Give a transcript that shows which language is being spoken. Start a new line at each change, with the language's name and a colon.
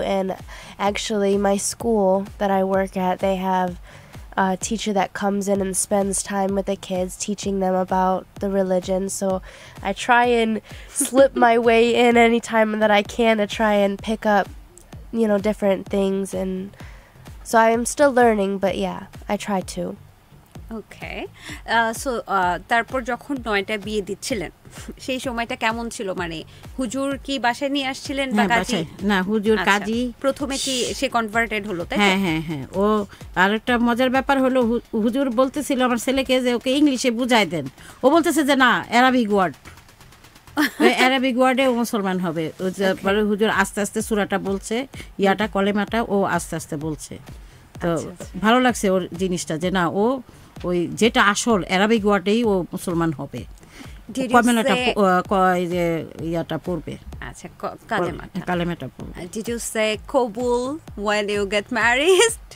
English: And actually, my school that I work at, they have a teacher that comes in and spends time with the kids, teaching them about the religion. So I try and slip my way in anytime that I can to try and pick up, you know, different things. And so I am still learning, but yeah, I try to. Okay, so
Bangla: তারপর যখন নয়টা বিয়ে দিচ্ছিলেন সেই সময়টা কেমন ছিল? মানে হুজুর কি বাসায় নিয়ে আসছিলেন বা কাজী? না, হুজুর কাজী প্রথমে কি সে কনভার্টেড হলো? হ্যাঁ হ্যাঁ হ্যাঁ। ও আরেকটা মজার ব্যাপার হলো, হুজুর বলতেছিল আমার ছেলেকে যে ওকে ইংলিশে বুঝাই দেন, ও বলতেছে যে না অ্যারাবিক ওয়ার্ড অ্যারাবিক ওয়ার্ডে ও মুসলমান হবে। তারপরে হুজুর আস্তে আস্তে সুরাটা বলছে, ইয়াটা কলেমাটা ও আস্তে আস্তে বলছে। তো ভালো লাগছে ওর জিনিসটা, যে না ও ওই যেটা আসল অ্যারাবিক ওয়ার্ডেই ও মুসলমান হবে, কলেমাটা যে ইয়াটা পড়বে। আচ্ছা, কলেমাটা পড়বে।
English: Did you say কবুল when you get married?